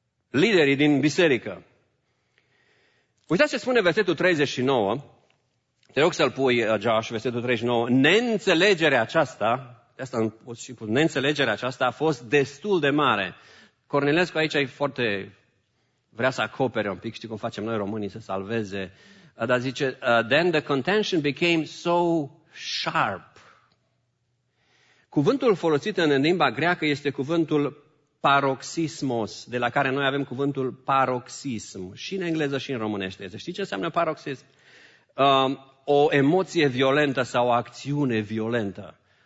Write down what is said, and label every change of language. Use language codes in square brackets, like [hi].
[ro] Liderii din biserică. Uitați ce spune versetul 39. Te rog să-l pui, Josh, versetul 39. Neînțelegerea aceasta, de asta îmi pot și pus, neînțelegerea aceasta a fost destul de mare. Cornelescu aici e foarte, vrea să acopere un pic, știi cum facem noi românii să salveze. Dar zice, [en] then the contention became so sharp. [ro] Cuvântul folosit în limba greacă este cuvântul paroxismos, de la care noi avem cuvântul paroxism, și în engleză și în românește. Știi ce înseamnă paroxism? O emoție violentă sau o acțiune violentă.